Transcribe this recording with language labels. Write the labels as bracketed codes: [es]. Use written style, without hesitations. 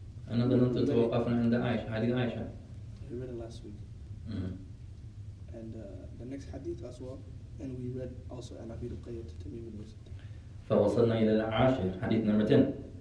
[ar] أنا ظننت توقفنا عند عائشة حديث عائشة [en] we read it last week and the next hadith as well and we read also عن أبي رقية تميم بن مسد [ar] فوصلنا إلى العاشر حديث نمرة 10